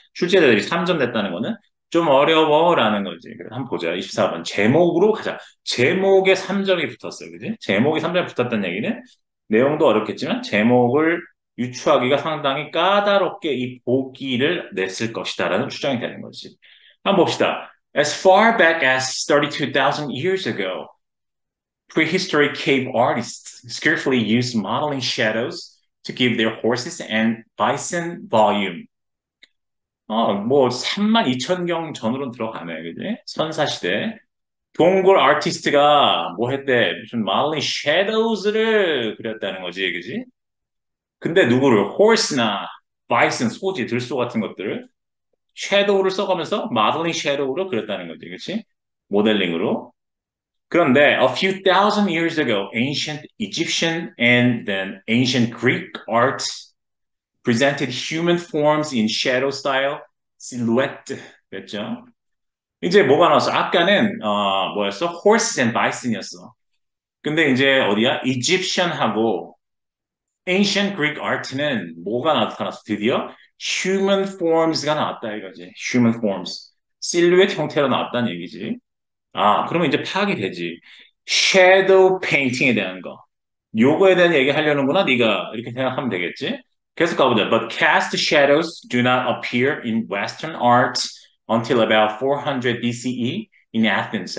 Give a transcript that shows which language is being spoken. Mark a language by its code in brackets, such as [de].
[ko] 출제자들이 3점 됐다는 거는 좀 어려워라는 거지. 한번 보자. 24번 제목으로 가자. 제목에 3점이 붙었어요. 그지? 제목이 3점이 붙었다는 얘기는 내용도 어렵겠지만 제목을 유추하기가 상당히 까다롭게 이 보기를 냈을 것이다라는 추정이 되는 거지. 한번 봅시다. [en] As far back as 32,000 years ago, prehistoric cave artists skillfully used modeling shadows to give their horses and bison volume. [ko] 뭐 32,000경 전으로는 들어가네, 그지? 선사시대. 동굴 아티스트가 뭐 했대? 무슨 modeling shadows를 그렸다는 거지, 그지? 근데 누구를 horse나 bison 소지 들소 같은 것들을 shadow를 써가면서 modeling shadow로 그렸다는 거지, 그렇지? 모델링으로. [en] 그런데 a few thousand years ago, ancient Egyptian and then ancient Greek art presented human forms in shadow style silhouette. [ko] 됐죠? 이제 뭐가 나왔어? 아까는 뭐였어? horse and bison이었어. 근데 이제 어디야? Egyptian 하고 Ancient Greek art는 뭐가 나타났어? 드디어 human forms가 나왔다 이거지. human forms. 실루엣 형태로 나왔다는 얘기지. 아, 그러면 이제 파악이 되지. shadow painting에 대한 거. 요거에 대한 얘기 하려는구나. 네가 이렇게 생각하면 되겠지. 계속 가보자. [en] But cast shadows do not appear in Western art until about 400 BCE in Athens.